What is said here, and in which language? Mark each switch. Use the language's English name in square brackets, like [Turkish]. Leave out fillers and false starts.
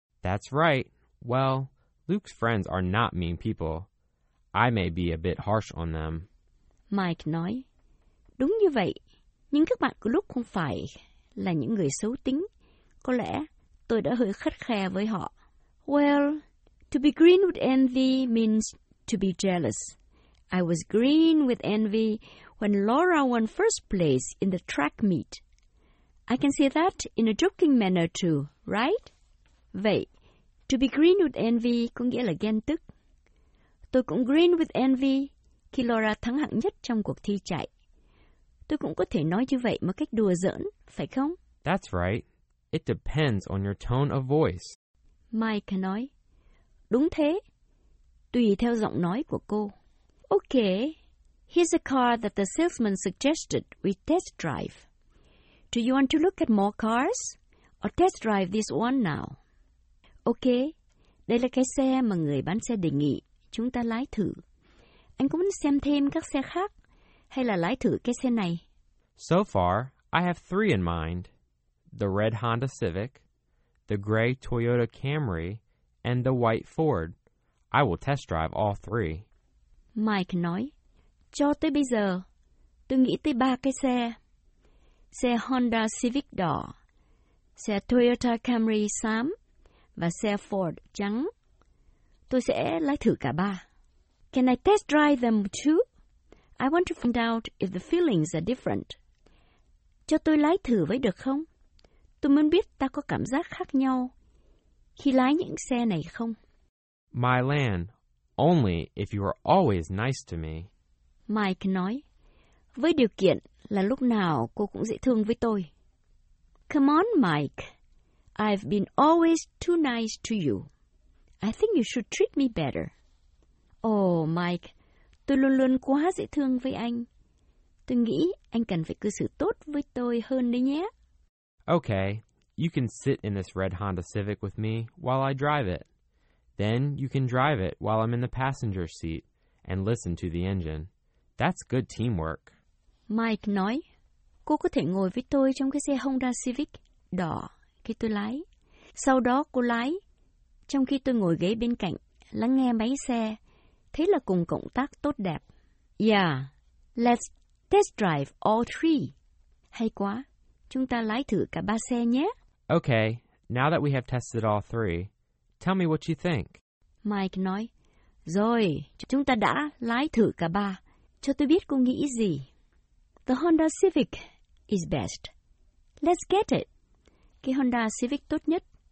[English] That's right. Well, Luke's friends are not mean people. I may be a bit harsh on them. [Vietnamese] Mike nói, đúng như vậy, nhưng các bạn của Luke không phải là những người xấu tính. Có lẽ tôi đã hơi khắt khe với họ. [English] Well, to be green with envy means to be jealous. I was green with envy when Laura won first place in the track meet. I can say that in a joking manner too, right? [Vietnamese] Vậy, [English] to be green with envy [Vietnamese] có nghĩa là ghen tức. Tôi cũng [English] green with envy [Vietnamese] khi Laura thắng hạng nhất trong cuộc thi chạy. Tôi cũng có thể nói như vậy một cách đùa giỡn, phải không? [English] That's right. It depends on your tone of voice. [Vietnamese] Mike nói, đúng thế, tùy theo giọng nói của cô. [English] Okay, here's a car that the salesman suggested we test drive. Do you want to look at more cars or test drive this one now? [Vietnamese] Okay, đây là cái xe mà người bán xe đề nghị chúng ta lái thử. Anh có muốn xem thêm các xe khác hay là lái thử cái xe này? [English] So far, I have three in mind. The red Honda Civic, the gray Toyota Camry, and the white Ford. I will test drive all three. [Vietnamese] Mike nói, cho tới bây giờ, tôi nghĩ tới ba cái xe. Xe Honda Civic đỏ, xe Toyota Camry xám, và xe Ford trắng. Tôi sẽ lái thử cả ba. [English] Can I test drive them too? I want to find out if the feelings are different. [Vietnamese] Cho tôi lái thử với được không? Tôi muốn biết ta có cảm giác khác nhau khi lái những xe này không. [English] Mylan, only if you are always nice to me. [Vietnamese] Mike nói, với điều kiện là lúc nào cô cũng dễ thương với tôi. [English] Come on, Mike. I've been always too nice to you. I think you should treat me better. [Vietnamese] Oh, Mike, tôi luôn luôn quá dễ thương với anh. Tôi nghĩ anh cần phải cư xử tốt với tôi hơn đấy nhé. [English] Okay, you can sit in this red Honda Civic with me while I drive it. Then you can drive it while I'm in the passenger seat and listen to the engine. That's good teamwork. [Vietnamese] Mike nói, cô có thể ngồi với tôi trong cái xe Honda Civic đỏ khi tôi lái. Sau đó cô lái, trong khi tôi ngồi ghế bên cạnh, lắng nghe máy xe. Thế là cùng cộng tác tốt đẹp. [English] Yeah, let's test drive all three. [Vietnamese] Hay quá, chúng ta lái thử cả ba xe nhé. [English] Okay, now that we have tested all three, tell me what you think. [Vietnamese] Mike nói, rồi, chúng ta đã lái thử cả ba. Cho tôi biết cô nghĩ gì. [English] The Honda Civic is best. Let's get it. [Vietnamese] Cái Honda Civic tốt nhất.